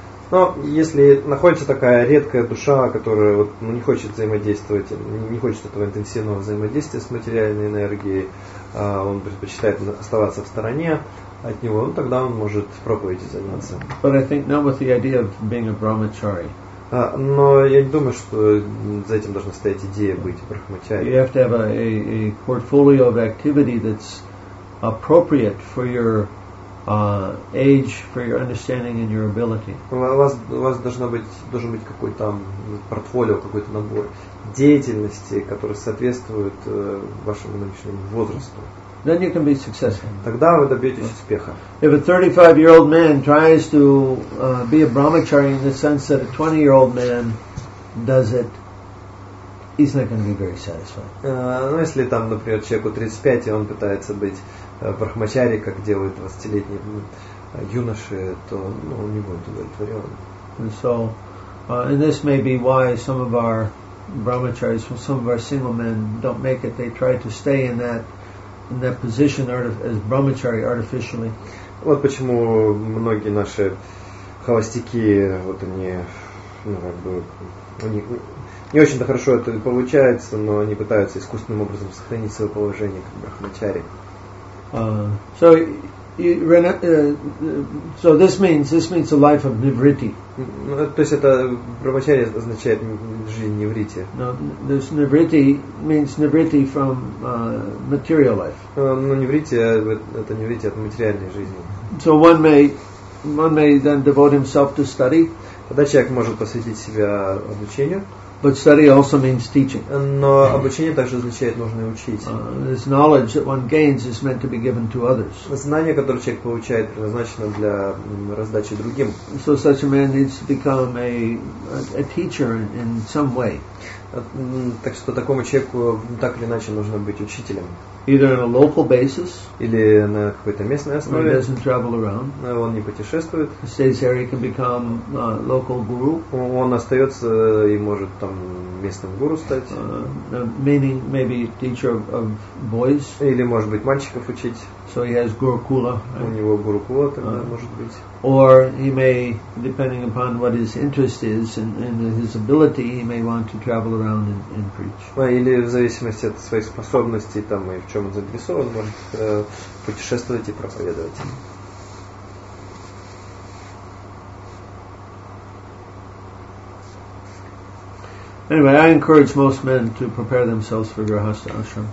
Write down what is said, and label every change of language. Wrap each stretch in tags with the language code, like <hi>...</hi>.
<ru>Но если находится такая редкая душа, которая вот, ну, не хочет взаимодействовать, не хочет этого интенсивного взаимодействия с материальной энергией, он предпочитает оставаться в стороне от него, ну, тогда он может проповедью заниматься.</ru> <en>But I think not with the idea of being a brahmachari.</en> <ru>Но я не думаю, что за этим должна стоять идея быть брахмачари.</ru> <en>You have to have a portfolio of activity that's appropriate for your age, for your understanding and your ability.</en> <ru>У вас должен быть какой-то там портфолио, какой-то набор деятельности, который соответствует вашему нынешнему возрасту.</ru> <en>Then you can be successful.</en> <ru>Тогда вы добьетесь успеха.</ru> <en>If a 35-year-old man tries to be a brahmachari in the sense that a 20-year-old man does it, he's not going to be very satisfied.</en> <ru>Ну, если там, например, человеку 35, и он пытается быть брахмачари, как делают 20-летние юноши, то он не будет удовлетворен.</ru> <en>And so, and this may be why some of our brahmacharis, some of our single men don't make it. They try to stay in that position as brahmachari artificially.</en> <ru>Вот почему многие наши холостяки, вот они, ну, как бы, они не очень-то хорошо это получается, но они пытаются искусственным образом сохранить свое положение как брахмачари.</ru> <en>So this means a life of nivritti.</en> <ru>То есть это брахмачари означает жизнь нивритти.</ru> <en>No, this nivritti means nivritti from material life.</en> <ru>Ну, нивритти это нивритти от материальной жизни.</ru> <en>So one may One may then devote himself to study.</en> <ru>Тогда человек может посвятить себя обучению.</ru> <en>But study also means teaching.</en> <ru>Но обучение также означает нужно учить.</ru> <en>This knowledge that one gains is meant to be given to others.</en> <ru>Знание, которое человек получает, предназначено для раздачи другим.</ru> <en>So such a man needs to become a teacher in some way.</en> <ru>Так что такому человеку так или иначе нужно быть учителем.</ru> <en>Either on a local basis,</en> <ru>или на какой-то местной основе.</ru> <en>He doesn't travel around.</en> <ru>Он не путешествует.</ru> <en>He stays here, he can become a local guru.</en> <ru>Он остается и может там местным гуру стать.</ru> <en>Meaning maybe teacher of boys.</en> <ru>Или может быть мальчиков учить.</ru> <en>So he has gurukula. Right?</en> <ru>У него гурукула тогда может быть.</ru> <en>Or he may, depending upon what his interest is and his ability, he may want to travel around and preach.</en> <ru>Или в зависимости от своих способностей там и в чем он заинтересован, может путешествовать и проповедовать.</ru> <en>Anyway, I encourage most men to prepare themselves for grihastha ashram.</en>